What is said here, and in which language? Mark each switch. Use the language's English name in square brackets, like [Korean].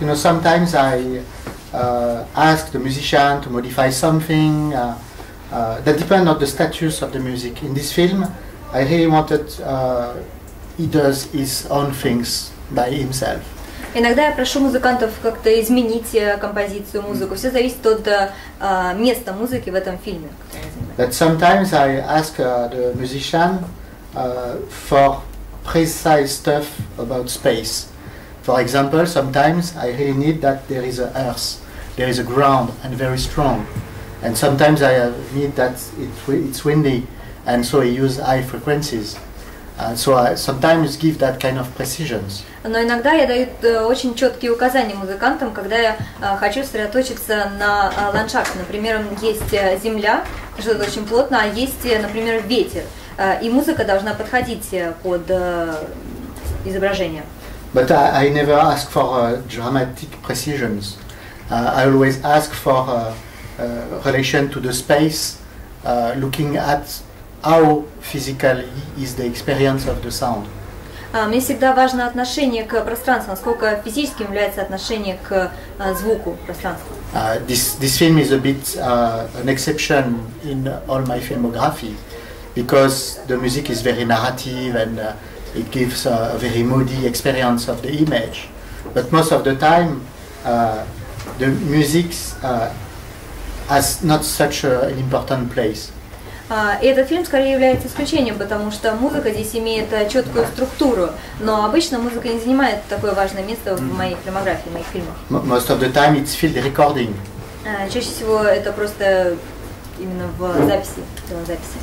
[English] You know, sometimes I ask the musician to modify something. That depends on the status of the music. In this film, I really wanted he does his own things by himself. [Russian] Иногда я прошу музыкантов как-то изменить композицию, музыку. Все зависит от места музыки в этом фильме. [English] But sometimes I ask the musician for precise stuff about space. For example, sometimes I really need that there is an earth, there is a ground, and very strong. And sometimes I need that it's windy, and so I use high frequencies. So I sometimes give that kind of precisions. [Russian] Но иногда я даю очень четкие указания музыкантам, когда я хочу сосредоточиться на ландшафте. Например, есть земля, что-то очень плотно, а есть, например, ветер. И музыка должна подходить под изображение. [English] But I never ask for dramatic precisions. I always ask for a relation to the space, looking at how physically is the experience of the sound. [Russian] Мне всегда важно отношение к пространству, насколько физическим является отношение к звуку пространства. [English] This film is a bit an exception in all my filmography. Because the music is very narrative and it gives a very moody experience of the image. But most of the time, the music has not such an important place. [Russian] Этот фильм скорее является исключением, потому что музыка здесь имеет четкую структуру, но обычно музыка не занимает такое важное место в моей фильмографии, в моих фильмах. [English] Most of the time it's field recording. [Russian] Чаще всего это просто именно в записи, фильмозаписи.